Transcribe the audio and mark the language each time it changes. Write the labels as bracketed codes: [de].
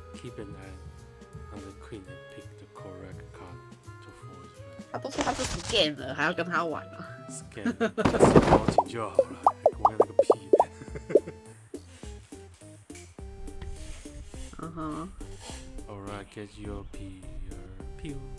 [en] Keep an eye on the queen and pick the correct card to fold. [zh] 他都说他是 scan 了，还要跟他玩啊？Scan， 只要报警就好了，我管那个屁！嗯哼。 [en] All right, get your pills.